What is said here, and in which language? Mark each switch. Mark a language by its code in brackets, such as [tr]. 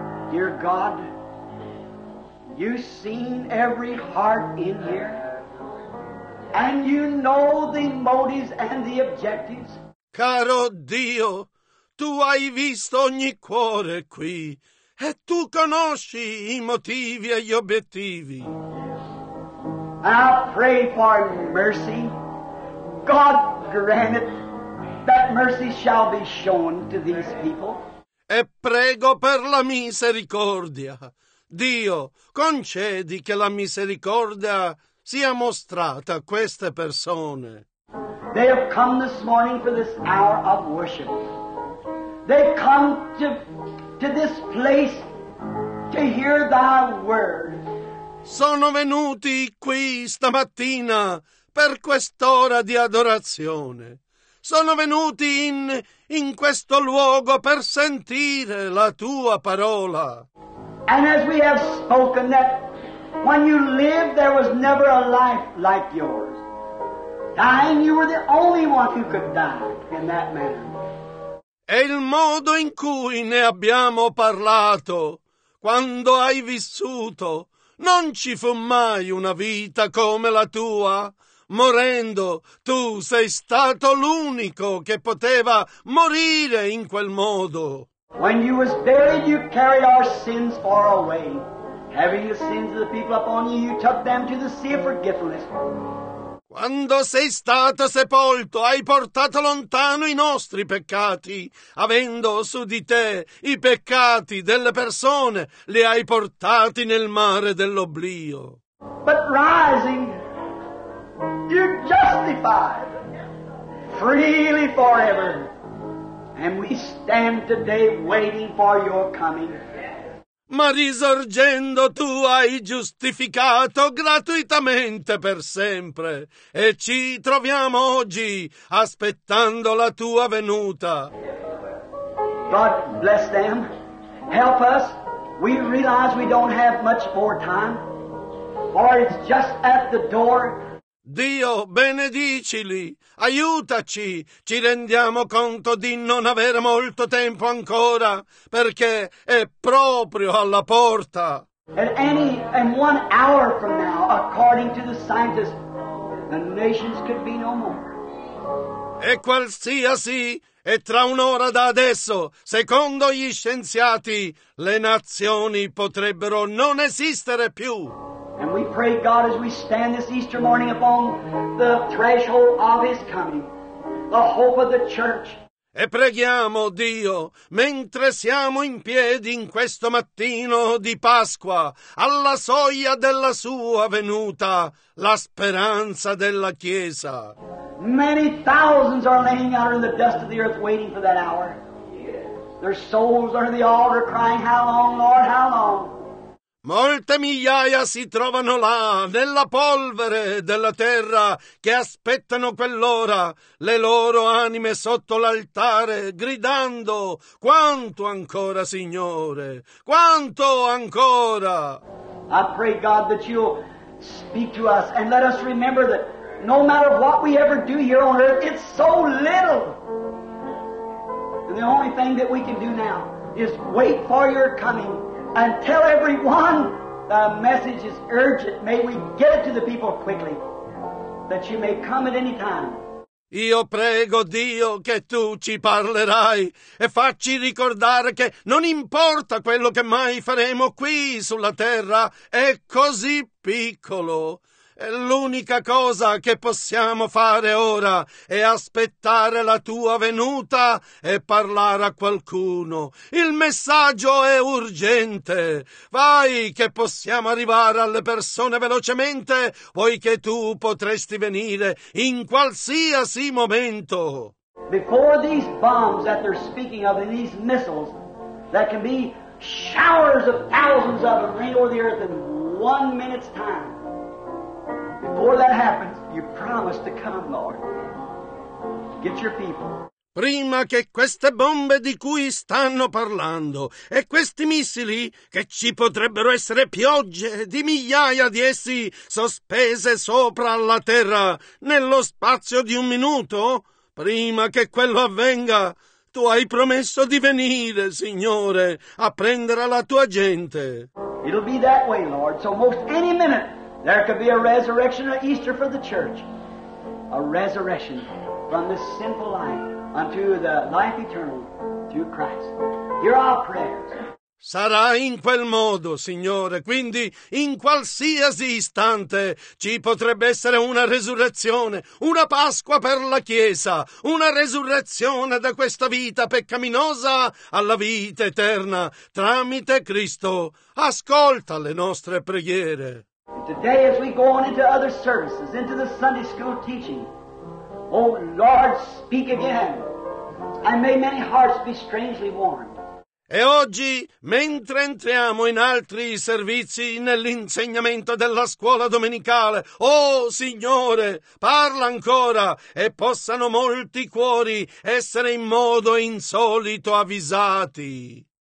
[en] Dear God, you've seen every heart in here, and you know the motives and the objectives. [it] Caro Dio, tu hai visto ogni cuore qui, e tu conosci i motivi e gli obiettivi. [en] I pray for mercy. God grant it that mercy shall be shown to these people. [it] E prego per la misericordia. Dio, concedi che la misericordia sia mostrata a queste persone. [en] They have come this morning for this hour of worship. They come to this place to hear thy word. [it] Sono venuti qui stamattina per quest'ora di adorazione. Sono venuti in questo luogo per sentire la tua parola. [en] And as we have spoken that when you lived there was never a life like yours. Dying you were the only one who could die in that manner. [it] E il modo in cui ne abbiamo parlato, quando hai vissuto, non ci fu mai una vita come la tua. Morendo, tu sei stato l'unico che poteva morire in quel modo. [en] When you was buried, you carried our sins far away. Having the sins of the people upon you, you took them to the sea of forgetfulness. [it] Quando sei stato sepolto, hai portato lontano i nostri peccati. Avendo su di te i peccati delle persone, li hai portati nel mare dell'oblio. [en] But rising, You're justified freely forever. And we stand today waiting for your coming. [it] Ma risorgendo tu hai giustificato gratuitamente per sempre, e ci troviamo oggi aspettando la tua venuta. [en] God bless them. Help us. We realize we don't have much more time, or it's just at the door. [it] Dio, benedicili, aiutaci, ci rendiamo conto di non avere molto tempo ancora, perché è proprio alla porta. [en] And 1 hour from now, according to the scientists, the nations could be no more. [it] E qualsiasi, e tra un'ora da adesso, secondo gli scienziati, le nazioni potrebbero non esistere più. [en] And we pray, God, as we stand this Easter morning upon the threshold of His coming, the hope of the church. [it] E preghiamo, Dio, mentre siamo in piedi in questo mattino di Pasqua, alla soglia della Sua venuta, la speranza della Chiesa. [en] Many thousands are laying out in the dust of the earth waiting for that hour. Their souls are in the altar crying, "How long, Lord, how long?" [it] Molte migliaia si trovano là, nella polvere della terra, che aspettano quell'ora, le loro anime sotto l'altare, gridando, "Quanto ancora, Signore? Quanto ancora?" [en] I pray, God, that you'll speak to us and let us remember that no matter what we ever do here on earth, it's so little. And the only thing that we can do now is wait for your coming. And tell everyone the message is urgent. May we get it to the people quickly, that you may come at any time. [it] Io prego, Dio, che tu ci parlerai e facci ricordare che non importa quello che mai faremo qui sulla terra, è così piccolo. L'unica cosa che possiamo fare ora è aspettare la tua venuta e parlare a qualcuno. Il messaggio è urgente. Vai, che possiamo arrivare alle persone velocemente, poiché tu potresti venire in qualsiasi momento. [en] Before these bombs that they're speaking of, and these missiles that can be showers of thousands of them rain over the earth in 1 minute's time. Before that happens, you promise to come, Lord. Get your people. [it] Prima che queste bombe di cui stanno parlando e questi missili, che ci potrebbero essere piogge di migliaia di essi sospese sopra la terra nello spazio di un minuto, prima che quello avvenga, tu hai promesso di venire, Signore, a prendere la tua gente. [en] It'll be that way, Lord, so most any minute there could be a resurrection or Easter for the church. A resurrection from this sinful life unto the life eternal through Christ. Hear our prayers. [it] Sarà in quel modo, Signore, quindi in qualsiasi istante ci potrebbe essere una resurrezione, una Pasqua per la Chiesa, una resurrezione da questa vita peccaminosa alla vita eterna tramite Cristo. Ascolta le nostre preghiere. [en] Today, as we go on into other services, into the Sunday school teaching, oh Lord, speak again, and may many hearts be strangely warmed. [it] E oggi, mentre entriamo in altri servizi, nell'insegnamento della scuola domenicale, oh Signore, parla ancora e possano molti cuori essere in modo insolito avvisati.